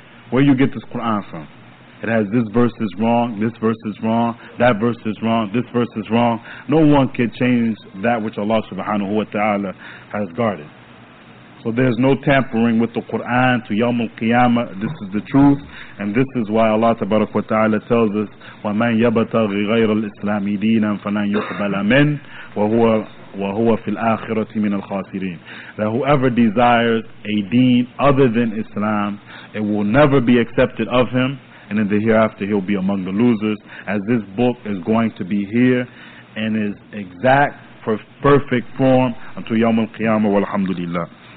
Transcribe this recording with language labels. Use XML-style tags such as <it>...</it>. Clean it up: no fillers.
<en>Where you get this Quran from? It has this verse is wrong, this verse is wrong, that verse is wrong, this verse is wrong. No one can change that which Allah subhanahu wa ta'ala has guarded. So there's no tampering with the Quran to Yawm al-Qiyamah. This is the truth.</en> <ar>And this is why Allah tabaraka wa ta'ala tells us, وَمَنْ يَبَتَغِ غَيْرَ الْإِسْلَامِ دِينًا فَلَنْ يُقْبَلَ مِنْ وَهُوَ فِي الْآخِرَةِ مِنَ الْخَاسِرِينَ.</ar> <en>That whoever desires a deen other than Islam, it will never be accepted of him. And in the hereafter, he'll be among the losers. As this book is going to be here in its exact perfect form until Yawm al-Qiyamah, walhamdulillah.</en>